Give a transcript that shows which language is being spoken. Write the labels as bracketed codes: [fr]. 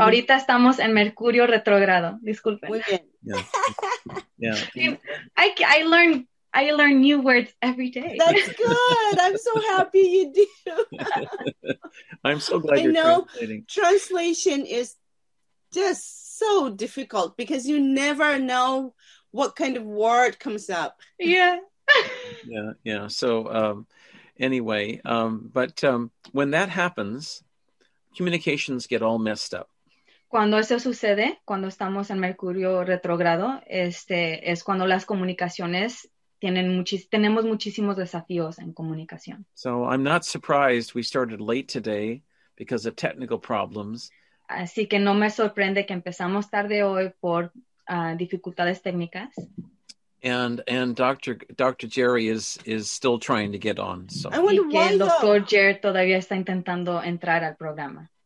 [es] Ahorita estamos en Mercurio retrogrado. Disculpen. Muy bien. [en] Yeah. I learn new words every day. That's good. I'm so happy you do. I'm so glad you're translating. Translation is just so difficult because you never know what kind of word comes up. Yeah. Yeah. So anyway, when that happens, communications get all messed up. [es] Cuando eso sucede, cuando estamos en Mercurio retrógrado, es cuando las comunicaciones tenemos muchísimos desafíos en comunicación. [en] So I'm not surprised we started late today because of technical problems. [es] Así que no me sorprende que empezamos tarde hoy por dificultades técnicas. [en] And Dr. Jerry is still trying to get on. So. [es] Y que el Dr. Jerry todavía está intentando entrar al programa.